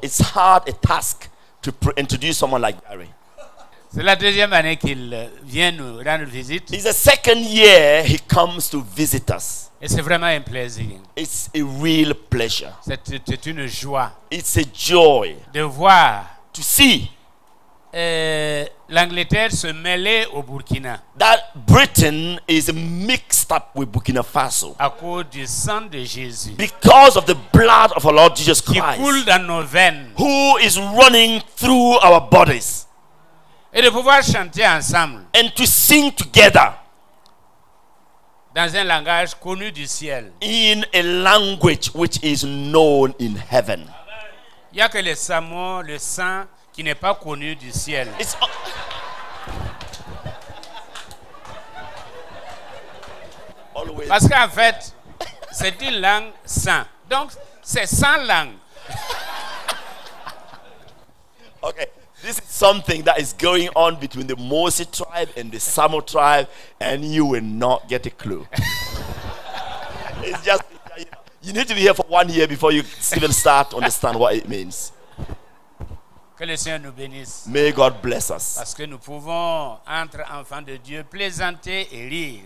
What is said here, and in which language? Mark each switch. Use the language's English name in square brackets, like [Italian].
[English] It's hard a task to introduce someone like Gary. [French] C'est la deuxième année qu'il vient nous rendre visite. [English] It's the second year he comes to visit us. [French] Et c'est vraiment un plaisir. [English] It's a real pleasure. [French] C'est une joie. [English] It's a joy. [French] De voir. [English] To see. [French] L'Angleterre se mêlait au Burkina. [English] That Britain is mixed up with Burkina Faso. [French] À cause du sang de Jésus. [English] Because of the blood of our Lord Jesus Christ. [French] Qui coule dans nos veines. [English] Who is running through our bodies. [French] Et de pouvoir chanter ensemble. [English] And to sing together. [French] Dans un langage connu du ciel. [English] In a language which is known in heaven. [French] Il y a que le sang, le sang qui n'est pas connu du ciel. [English] Always. [French] Parce qu'en fait, c'est une langue sans. Donc, c'est sans langue. [English] Okay, this is something that is going on between the Mosi tribe and the Samo tribe, and you will not get a clue. It's just, you need to be here for 1 year before you even start to understand what it means. [French] Que le Seigneur nous bénisse. [English] May God bless us. [French] Parce que nous pouvons entre enfants de Dieu plaisanter et rire.